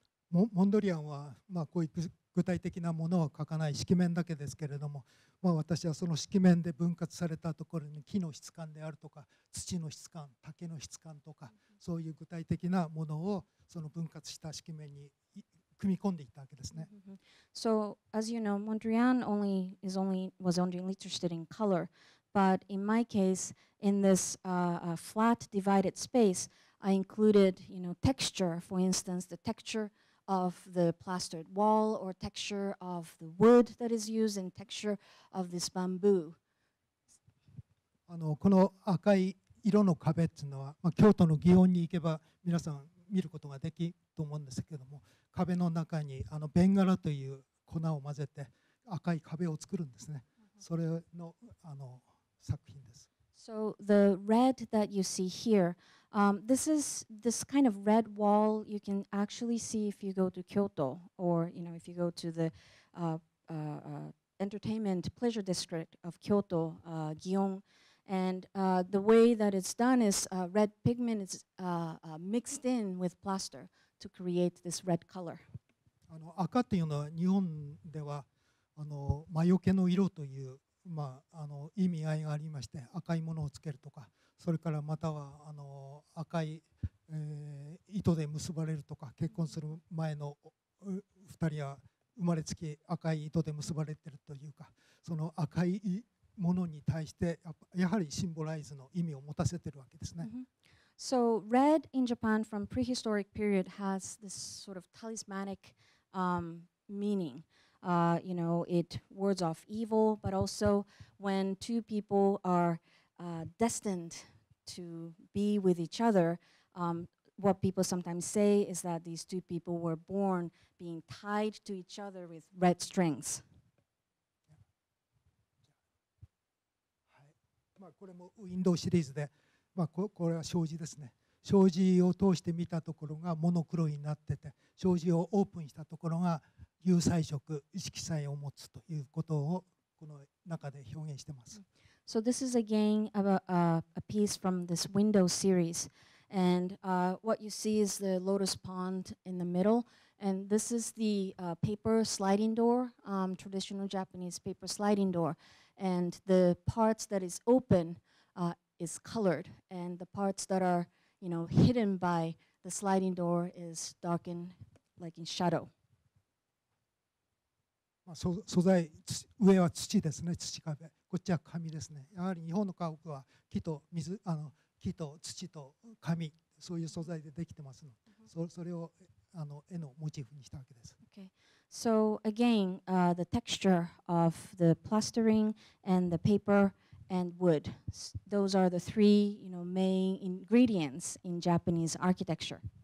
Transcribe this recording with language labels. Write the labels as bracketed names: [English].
[Japanese] モンドリアンはこういう具体的なものは描かない色面だけですけれども、私はその色面で分割されたところに木の質感であるとか土の質感、竹の質感とか、そういう具体的なものをその分割した色面に組み込んでいったわけですね。 [English] So, as you know, Mondrian was only interested in color, but in my case, in this flat divided space, I included, you know, texture, for instance, the texture of the plastered wall or texture of the wood that is used and texture of this bamboo. [Japanese] この赤い色の壁っていうのは、京都の祇園に行けば皆さん見ることができると思うんですけども、壁の中にベンガラという粉を混ぜて赤い壁を作るんですね。それの作品です。 [English] So the red that you see here, this is this kind of red wall you can actually see if you go to Kyoto or you know if you go to the entertainment pleasure district of Kyoto, Gion. And the way that it's done is red pigment is mixed in with plaster to create this red color. [Japanese] 赤というのは日本では魔除けの色という、まあ、意味合いがありまして赤いものをつけるとかそれからまたは赤い、糸で結ばれるとか結婚する前の2人は生まれつき赤い糸で結ばれているというかその赤いものに対して やはりシンボライズの意味を持たせているわけですね、mm-hmm. [English] So red in Japan from prehistoric period has this sort of talismanic meaning. You know, it wards off evil, but also when two people are destined to be with each other, what people sometimes say is that these two people were born being tied to each other with red strings. [Japanese] これもウィンドウシリーズで、まあ、これは障子ですね。障子を通して見たところがモノクロになってて、障子をオープンしたところが有彩色、色彩を持つということをこの中で表現しています。 [English] So this is again a piece from this window series. And what you see is the lotus pond in the middle. And this is the paper sliding door, traditional Japanese paper sliding door. And the parts that is open is colored, and the parts that are, you know, hidden by the sliding door is darkened, like in shadow. [Japanese] まあ、素材、上は土ですね、土壁。こっちは紙ですね。やはり日本の家屋は木と水、木と土と紙、そういう素材でできてますの。 Mm-hmm. それを絵のモチーフにしたわけです。 [English] Okay. So again, the texture of the plastering and the paper and wood, those are the three, you know, main ingredients in Japanese architecture.